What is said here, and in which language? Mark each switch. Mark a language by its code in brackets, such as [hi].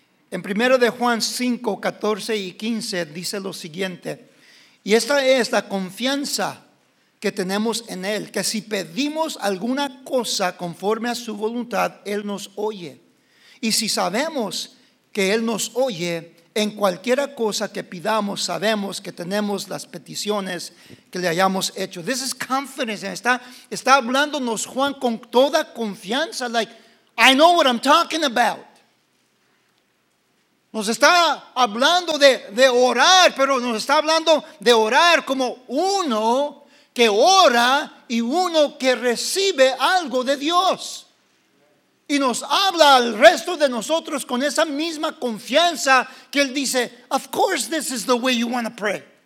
[es] En 1 de Juan 5, 14 y 15 dice lo siguiente: y esta es la confianza que tenemos en Él, que si pedimos alguna cosa conforme a su voluntad, Él nos oye. Y si sabemos que Él nos oye, en cualquiera cosa que pidamos, sabemos que tenemos las peticiones que le hayamos hecho. [en] This is confidence. [es] Está hablándonos Juan con toda confianza. [en] Like, I know what I'm talking about. [es] Nos está hablando de orar, pero nos está hablando de orar como uno que ora y uno que recibe algo de Dios. Y nos habla al resto de nosotros con esa misma confianza que Él dice: [en] Of course this is the way you want to pray.